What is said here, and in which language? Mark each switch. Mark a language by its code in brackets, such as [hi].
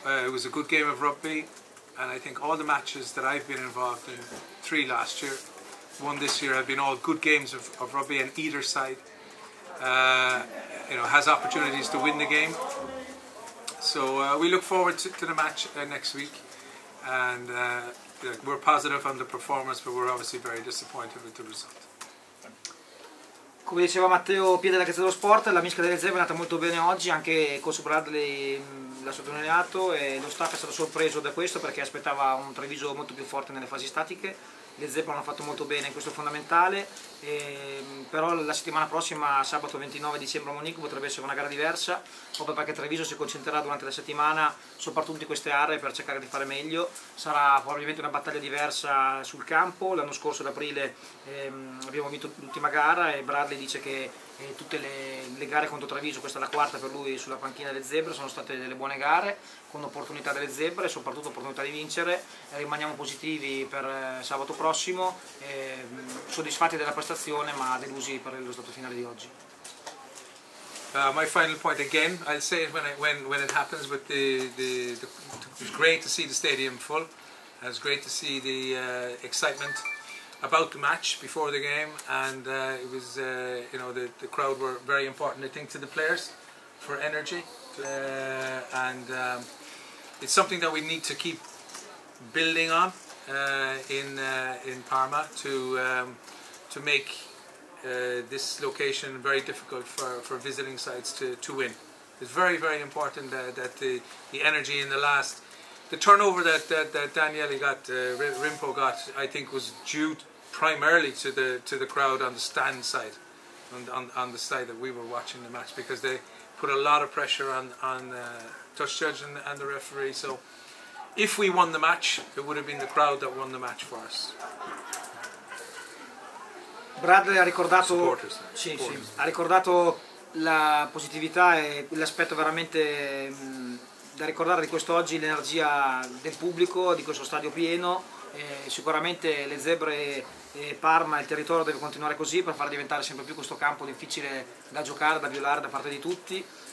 [en] It was a good game of rugby, and I think all the matches that I've been involved in, three last year, one this year, have been all good games of rugby, and either side you know, has opportunities to win the game. So we look forward to the match next week, and we're positive on the performance, but we're obviously very disappointed with the result. [it] Come diceva Matteo Pia della Gazzetta dello Sport, la mischia delle zebre è andata molto bene oggi, anche Coach Bradley l'ha sottolineato, e lo staff è stato sorpreso da questo perché aspettava un Treviso molto più forte nelle fasi statiche. Le zebre hanno fatto molto bene in questo fondamentale, e però la settimana prossima, sabato 29 dicembre a Monique, potrebbe essere una gara diversa, proprio perché Treviso si concentrerà durante la settimana soprattutto in queste aree per cercare di fare meglio. Sarà probabilmente una battaglia diversa sul campo. L'anno scorso ad aprile abbiamo vinto l'ultima gara, e Bradley dice che tutte le gare contro Treviso, questa è la quarta per lui sulla panchina delle zebre, sono state delle buone gare con opportunità delle zebre, soprattutto opportunità di vincere. Rimaniamo positivi per sabato prossimo, soddisfatti della prestazione ma delusi per lo stato finale di oggi. [en] My final point again, I'll say it when it happens, but it's great to see the stadium full, it's great to see the excitement about the match before the game, and it was you know, the crowd were very important, I think, to the players for energy, and it's something that we need to keep building on in Parma to make this location very difficult for visiting sides to win. It's very, very important that the energy in the last, the turnover that Daniele got, Rimpo got, I think was due primarily to the crowd on the stand side, on the side that we were watching the match, because they put a lot of pressure on touch judge and the referee. So if we won the match, it would have been the crowd that won the match for us. [it] Bradley ha ricordato, sì, ha ricordato la positività e l'aspetto veramente da ricordare di questo oggi, l'energia del pubblico di questo stadio pieno. Sicuramente le zebre e Parma, il territorio deve continuare così per far diventare sempre più questo campo difficile da giocare, da violare da parte di tutti.